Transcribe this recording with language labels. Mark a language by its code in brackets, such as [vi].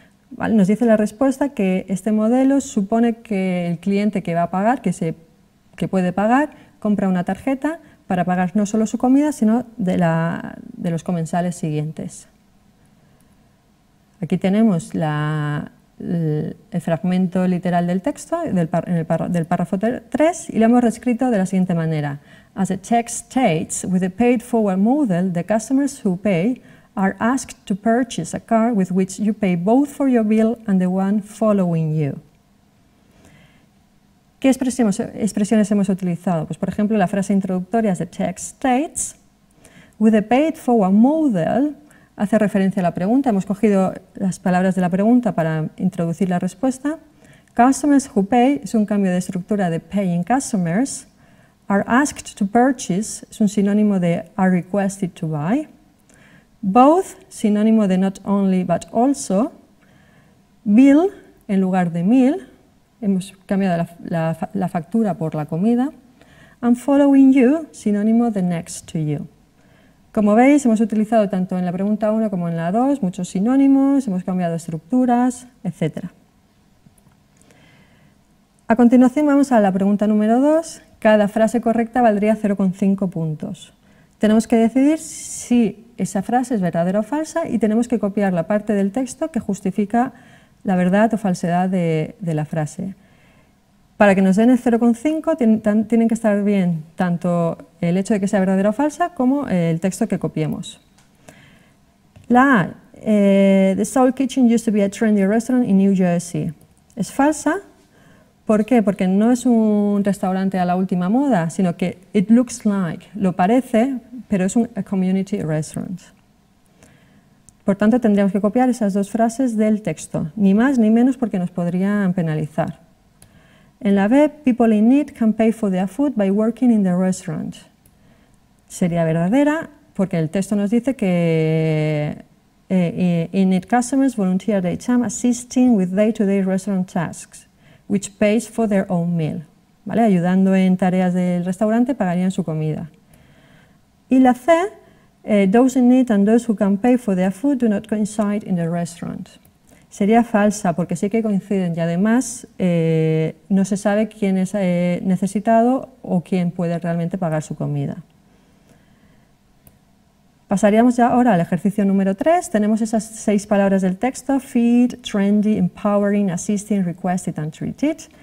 [es] Vale, nos dice la respuesta que este modelo supone que el cliente que va a pagar, que puede pagar, compra una tarjeta para pagar no solo su comida, sino de los comensales siguientes. Aquí tenemos el fragmento literal del texto, del párrafo 3, y lo hemos reescrito de la siguiente manera. [en] As the text states, with the paid forward model, the customers who pay are asked to purchase a card with which you pay both for your bill and the one following you. [es] ¿Qué expresiones hemos utilizado? Pues, por ejemplo, la frase introductoria, [en] as the text states, with the paid forward model, [es] hace referencia a la pregunta. Hemos cogido las palabras de la pregunta para introducir la respuesta. [en] Customers who pay [es] es un cambio de estructura de [en] paying customers. Are asked to purchase [es] es un sinónimo de [en] are requested to buy. Both, [es] sinónimo de [en] not only but also. [es] Bill, en lugar de meal, hemos cambiado la factura por la comida. [en] And following you, [es] sinónimo de [en] next to you. [es] Como veis, hemos utilizado tanto en la pregunta 1 como en la 2 muchos sinónimos, hemos cambiado estructuras, etc. A continuación vamos a la pregunta número 2. Cada frase correcta valdría 0,5 puntos. Tenemos que decidir si esa frase es verdadera o falsa y tenemos que copiar la parte del texto que justifica la verdad o falsedad de la frase. Para que nos den el 0,5 tienen que estar bien tanto el hecho de que sea verdadera o falsa como el texto que copiemos. La A, [en] The Soul Kitchen used to be a trendy restaurant in New Jersey. [es] Es falsa. ¿Por qué? Porque no es un restaurante a la última moda, sino que [en] it looks like, [es] lo parece, pero es [en] a community restaurant. [es] Por tanto, tendríamos que copiar esas dos frases del texto, ni más ni menos porque nos podrían penalizar. En la B, [en] people in need can pay for their food by working in the restaurant. [es] Sería verdadera porque el texto nos dice que [en] in need customers volunteer their time assisting with day-to-day restaurant tasks, which pays for their own meal. [es] ¿Vale? Ayudando en tareas del restaurante pagarían su comida. Y la C, [en] those in need and those who can pay for their food do not coincide in the restaurant. [es] Sería falsa porque sí que coinciden y además no se sabe quién es necesitado o quién puede realmente pagar su comida. Pasaríamos ya ahora al ejercicio número 3. Tenemos esas 6 palabras del texto, feed, trendy, empowering, assisting, requested and treated.